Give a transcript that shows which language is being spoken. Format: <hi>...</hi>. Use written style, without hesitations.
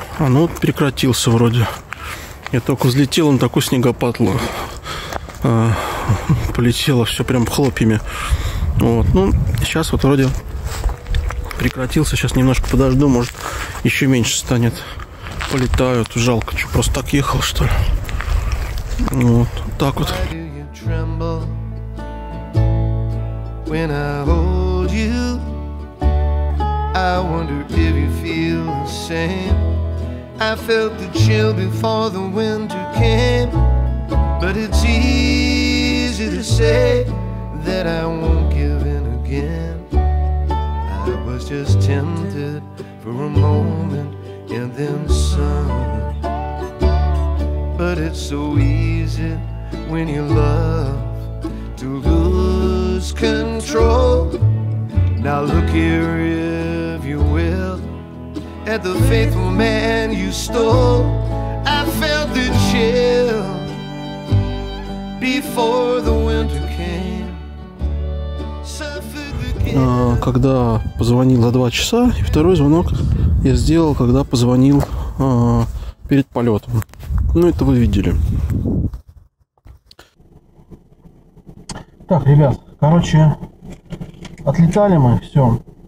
<ru>А ну вот прекратился вроде. Я только взлетел, он такой снегопад полетело все прям хлопьями. Вот, ну, сейчас вот вроде прекратился. Сейчас немножко подожду, может, еще меньше станет. Полетают, жалко, что просто так ехал, что ли. Вот, так вот.</ru> <en>When I hold you, I wonder if you feel the same. I felt the chill before the winter came, but it's easy to say that I won't give in again. I was just tempted for a moment and then some, but it's so easy when you love to lose control. Now look here if you will at the faithful man you stole. I felt the chill before the winter came. Suffered the game.</en> <ru>Когда позвонила 2 часа, и второй звонок я сделал, когда позвонил перед полетом. Ну, это вы видели. Так, ребят, короче, отлетали мы, все.</ru>